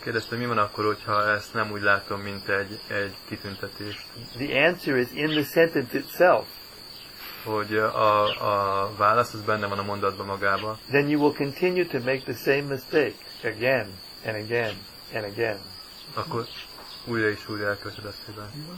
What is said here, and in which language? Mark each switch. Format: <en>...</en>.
<hu>Mi van akkor, hogyha ezt nem úgy látom, mint egy kitüntetést?</hu> <en>The answer is in the sentence itself.</en> <hu>Hogy a válasz az benne van a mondatban magában.</hu> <en>Then you will continue to make the same mistake again and again and again.</en> <hu>Akkor újra és újra elköszöd ezt hibát.</hu>